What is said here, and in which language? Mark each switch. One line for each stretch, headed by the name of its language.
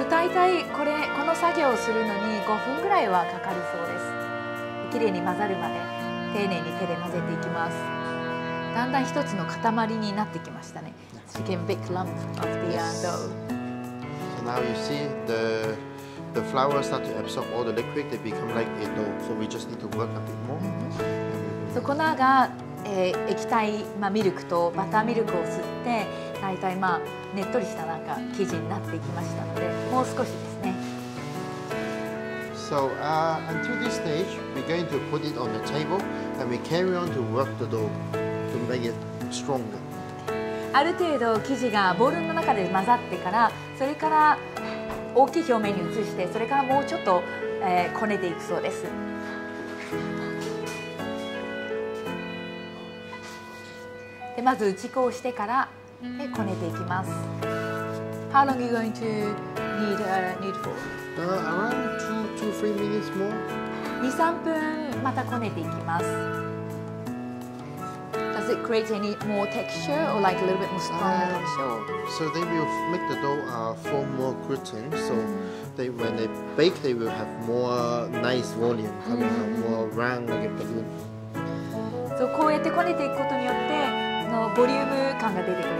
Japanese: So, 大体これこの作業をするのに5分ぐらいはかかるそうです。きれいに混ざるまで丁寧に手で混ぜていきます。だんだん一つの塊になってきましたね。
English: Yes. So, you can big lump of the dough. So now you see the flowers start to absorb all the liquid, they become like a dough. So we just need to work a bit more.
Japanese: So, 粉が、液体、まあ、ミルクとバターミルクを吸って、大体、まあ、ねっとりしたなんか生地になっていきましたので、もう少しですね。
English: So, until this stage, we're going to put it on the table and we carry on to work the dough to make it stronger.
Japanese: ある程度生地がボウルの中で混ざってから、それから大きい表面に移して、それからもうちょっと、こねていくそうです。で、まず打ち粉をしてからでこねていきます。
English: How long are you going to need for? Around 2-3 minutes more.
Japanese: 2-3 分またこねていきます。
English: Does it create any more texture or like a little bit more stronger texture? So they will make the dough form more gluten. So they, when they bake, they will have more nice volume coming out, more round like a balloon.
Japanese: So こうやってこねていくことによって、のボリューム感が出てくる。